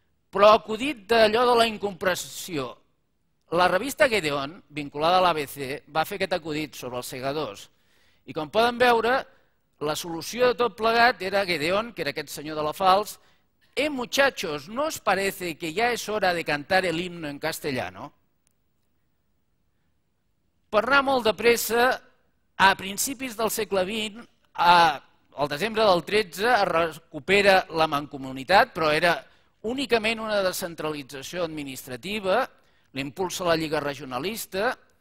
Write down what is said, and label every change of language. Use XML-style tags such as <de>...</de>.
<ca>Però acudit d'allò de la incomprensió, la revista Gedeón, vinculada a l'ABC, va fer aquest acudit sobre els segadors. I com poden veure, la solució de tot plegat era Gedeón, que era aquest senyor de la Fals.</ca> <es>Muchachos, ¿no os parece que ya es hora de cantar el himno en castellano?</es> <ca>Per anar molt de pressa, a principis del segle XX, al desembre del XIII, es recupera la Mancomunitat, però era únicament una descentralització administrativa, l'impulsa la Lliga Regionalista.</ca>